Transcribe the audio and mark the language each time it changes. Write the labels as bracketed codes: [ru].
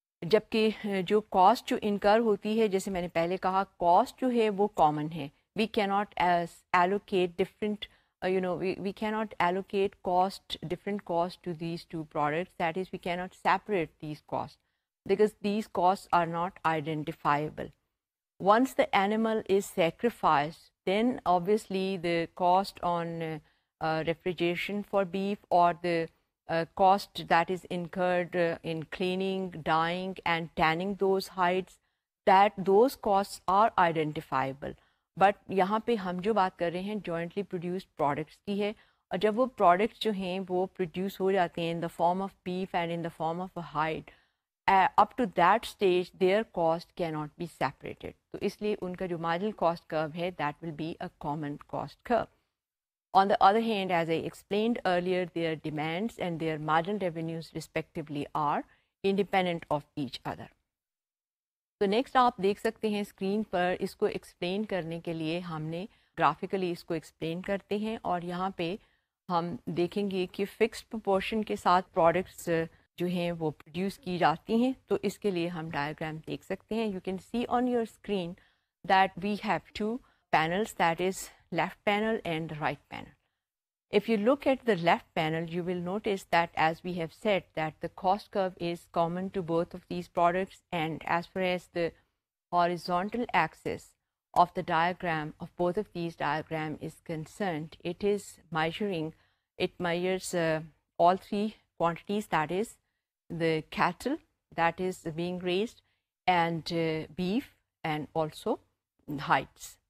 [ur] جبکہ جو کاسٹ جو انکر ہوتی ہے جیسے میں نے پہلے کہا کاسٹ جو ہے وہ کامن ہے [en] We can't allocate different you know we can't allocate cost different cost to these two products that is we can't separate these cost because these cost are not identifiable once the animal is sacrifice then obviously the cost on refrigeration for beef اور the cost that is incurred in cleaning, dyeing and tanning those hides, that those costs are identifiable. But [ur] yahan pe hum jo baat kar rahe hain [en] jointly produced products [ur] ki hai, aur jab wo [en] products [ur] jo hain wo [en] produce [ur] ho jate hain [en] in the form of beef and in the form of a hide, up to that stage their cost cannot be separated. [ur] To isliye unka jo [en] marginal cost curve hai, that will be a common cost curve. On the other hand, as I explained earlier, their demands and their marginal revenues respectively are independent of each other. So next, [ur] آپ دیکھ سکتے ہیں screen پر اس کو explain کرنے کے لیے ہم نے گرافیکلی اس کو ایکسپلین کرتے ہیں اور یہاں پہ ہم دیکھیں گے کہ فکسڈ پروپورشن کے ساتھ پروڈکٹس جو ہیں وہ پروڈیوس کی جاتی ہیں تو اس کے لیے ہم ڈائیگرام دیکھ سکتے ہیں [en] You can see on your screen that we have two panels that is left panel and the right panel. If you look at the left panel, you will notice that as we have said that the cost curve is common to both of these products and as far as the horizontal axis of the diagram of both of these diagram is concerned, it is measuring, it measures all three quantities, that is the cattle that is being raised and beef and also hides.